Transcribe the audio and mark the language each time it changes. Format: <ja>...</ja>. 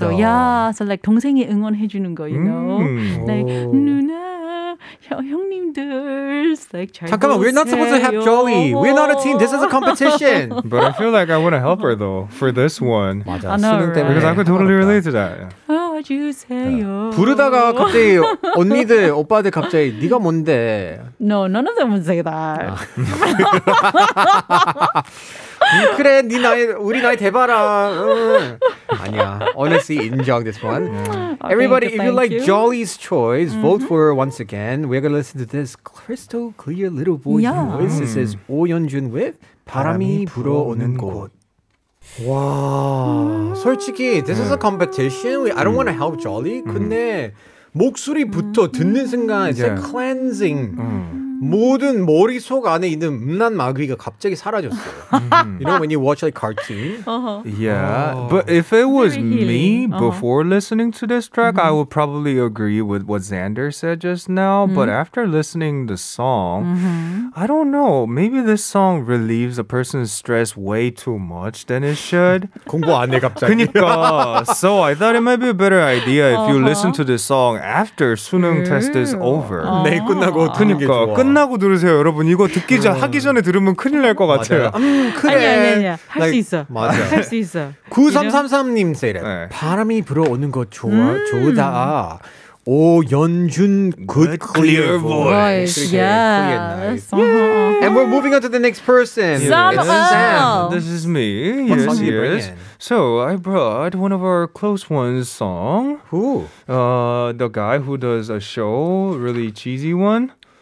<en>So yeah, so like</en> <ko>동생이 응원해 주는 거,</ko> <en>you know. Like 누나 Tacoma, we're not supposed to have Jolly. We're not a team. This is a competition. But I feel like I want to help her though for this one. I know, right? Because I could totally relate to that. Oh, what you say, yo?</en> <ko>부르다가 갑자기 언니들, 오빠들 갑자기 네가 뭔데?</ko> <en>No, none of them would say that.</en> <ko>그래, 네 나이, 우리 나이 대봐라. 아니야.</ko> <en>Honestly, 인정 this one. Yeah. Everybody, if you like Jolly's choice, vote for her once again. We're going to listen to this crystal clear little boy voice. This is 오연준 with 바람이 불어오는 곳.</en> <ko>와, 솔직히</ko> <en>this is a competition. I don't want to help Jolly.</en> <ko>근데 목소리부터 듣는 순간</ko> <en>it's a cleansing.</en> <ko>모든 머릿속 안에 있는 음란 마귀가 갑자기 사라졌어요.</ko> <en>You know when you watch like cartoon? Yeah, but if it was me before listening to this track, I would probably agree with what Xander said just now. But after listening the song, I don't know. Maybe this song relieves a person's stress way too much than it should.</en> <ko>공부 안 해 갑자기. 그러니까.</ko> <en>So I thought it might be a better idea if you listen to this song after 수능 test is over.</en> <ko>내일 끝나고 듣는 게 좋아. 끝나고 들으세요, 여러분. 이거 듣기 전, 하기 전에 들으면 큰일 날 것 같아요. 그래. 아니야. 할 수 있어. 맞아. 할 수 있어. 9333님 세렛. 바람이 불어오는 거 좋다.</ko> <en>오연준 good clear voice. Yeah. And we're moving on to the next person. This is me. Yes, yes. So I brought one of our close ones' song. Who? The guy who does a show, really cheesy one.</en>